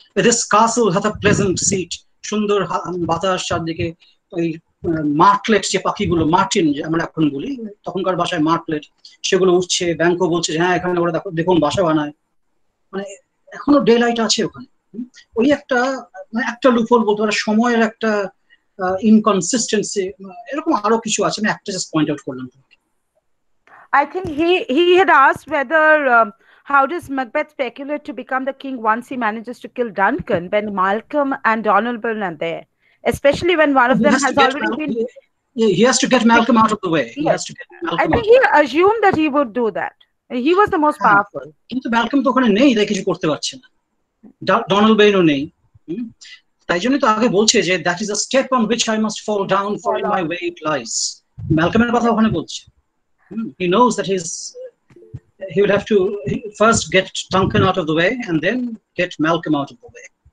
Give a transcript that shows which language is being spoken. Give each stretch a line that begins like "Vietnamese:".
English: this castle has a pleasant seat,
Bangla: সুন্দর বাতাস চারদিকে, ওই মার্টলেট যে পাখিগুলো, মার্টিন যে আমরা এখন বলি, তখনকার ভাষায় মার্টলেট, সেগুলো উঠছে, ব্যাংকও বলছে হ্যাঁ এখানে ওরা দেখুন বাসা বানায়, মানে এখনো ডে লাইট আছে ওখানে। ওই একটা মানে একটা লুফল বলতে পারে, সময়ের একটা ইনকনসিস্টেন্সি, এরকম আরো কিছু আছে, আমি একটা জাস্ট পয়েন্ট আউট করলাম তোমাকে।
English: I think he had asked whether how does Macbeth speculate to become the king once he manages to kill Duncan when Malcolm and Donald Byrne are there? Especially when one of them has already been... He has to get Malcolm out of the way. I think he assumed that he would do that. He was the most powerful.
Bangla: কিন্তু Malcolm তো ওখানে নেই, তাই কিছু করতে পারছে না। Donald বেইনও নেই। তাই জন্য তো আগে বলছে যে
English: that is a step on which I must fall down for in my way it lies.
Bangla: ম্যালকমের কথা ওখানে বলছে।
English: He knows that he will have to first get Duncan out of the way and then get Malcolm out of the way.